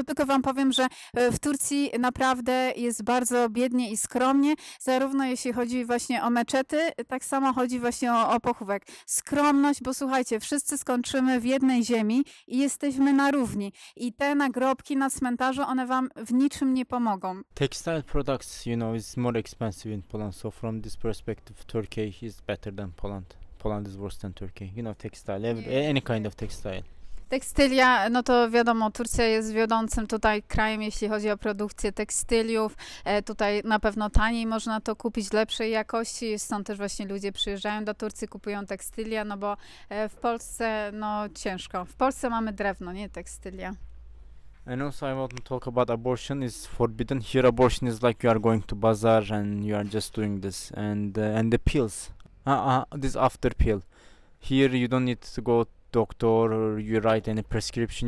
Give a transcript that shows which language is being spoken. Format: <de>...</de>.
<pl>No tylko wam powiem, że w Turcji naprawdę jest bardzo biednie i skromnie, zarówno jeśli chodzi właśnie o meczety, tak samo chodzi właśnie o pochówek. Skromność, bo słuchajcie, wszyscy skończymy w jednej ziemi i jesteśmy na równi. I te nagrobki na cmentarzu, one wam w niczym nie pomogą.</pl> <en>Textile products, you know, is more expensive in Poland, so from this perspective, Turkey is better than Poland. Poland is worse than Turkey, you know, textile, any kind of textile.</en> <pl>Tekstylia, no to wiadomo, Turcja jest wiodącym tutaj krajem, jeśli chodzi o produkcję tekstyliów. Tutaj na pewno taniej można to kupić, lepszej jakości. Stąd też właśnie ludzie przyjeżdżają do Turcji, kupują tekstylia, no bo w Polsce, no ciężko. W Polsce mamy drewno, nie tekstylia.</pl> <en>And also I want to talk about abortion is forbidden. Here abortion is like you are going to bazaar and you are just doing this. And the pills. This after pill. Here you don't need to go doctor or you write any prescription.</en>